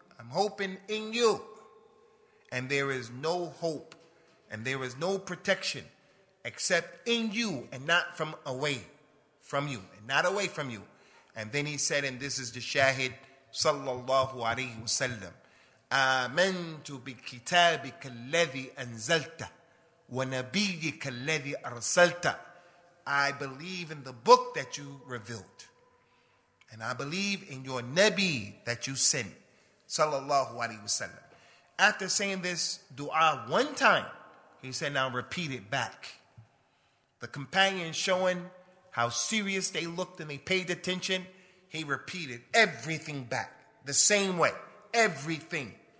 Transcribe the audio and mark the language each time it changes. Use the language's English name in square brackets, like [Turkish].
[English] I'm hoping in you. And there is no hope and there is no protection except in you and not from away from you and not away from you." And then he said, and this is the shahid, sallallahu alayhi wa sallam, [Arabic] آمنت بكتابك الذي أنزلت ونبيك الذي أرسلت. [English] I believe in the book that you revealed. And I believe in your Nabi that you sent. Sallallahu alayhi wa sallam. After saying this dua one time, he said, now repeat it back. The companion showing how serious they looked and they paid attention, he repeated everything back. The same way. Everything.